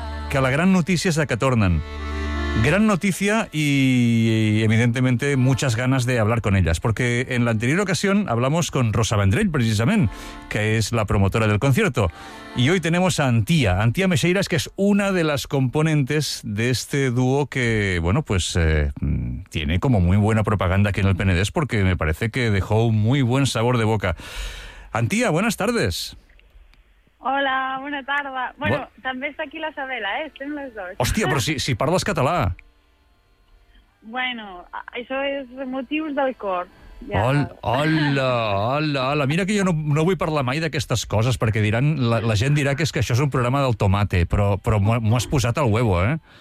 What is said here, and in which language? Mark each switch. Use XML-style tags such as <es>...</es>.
<ca>Que la gran notícia és que tornen.</ca> <es>Gran noticia y, evidentemente, muchas ganas de hablar con ellas. Porque en la anterior ocasión hablamos con Rosa Vendrell, precisamente, que es la promotora del concierto. Y hoy tenemos a Antía Meixeiras, que es una de las componentes de este dúo que, bueno, pues tiene como muy buena propaganda aquí en el Penedès, porque me parece que dejó un muy buen sabor de boca. Antía, buenas tardes.</es> <ca>Hola, bona tarda. Bueno, també està aquí la Sabela, estem les dues. Hòstia, però si parles català. Bueno, això és motius del cor. Ja. Hola. Mira que jo no vull parlar mai d'aquestes coses, perquè diran la gent dirà que és que això és un programa del tomate, però m'ho has posat</ca> <es>al huevo,</es> <ca>eh?</ca>